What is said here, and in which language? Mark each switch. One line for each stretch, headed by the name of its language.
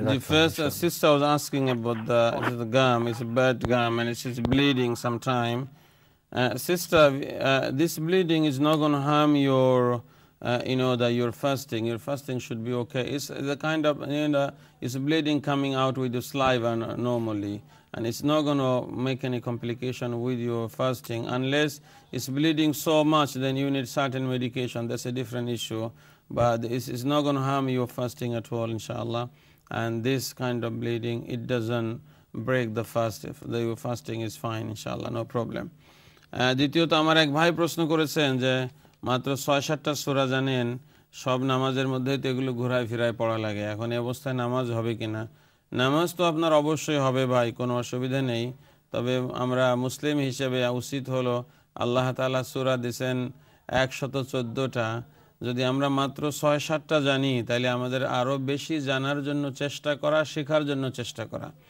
English: The first sister was asking about the gum is a bad gum and it is bleeding some time sister this bleeding is not gonna harm your you know that your fasting should be okay is the kind of you know is bleeding coming out with your saliva normally And it's not going to make any complication with your fasting. Unless it's bleeding so much, then you need certain medication. That's a different issue. But it's not going to harm your fasting at all, inshallah. And this kind of bleeding, it doesn't break the fast. If your fasting is fine, inshallah, no problem.
Bangla: দ্বিতীয়ত আমার এক ভাই প্রশ্ন করেছেন যে মাত্র 66টা সূরা জানেন, সব নামাজের মধ্যে তো এগুলো ঘোরায় ফিরায় পড়া লাগে, এখন এই অবস্থায় নামাজ হবে কি না? নামাজ তো আপনার অবশ্যই হবে ভাই, কোনো অসুবিধা নেই, তবে আমরা মুসলিম হিসেবে উচিত হলো আল্লাহ তাআলা সূরা দিয়েছেন 114টা, যদি আমরা মাত্র 6-7টা জানি তাহলে আমাদের আরও বেশি জানার জন্য চেষ্টা করা, শেখার জন্য চেষ্টা করা।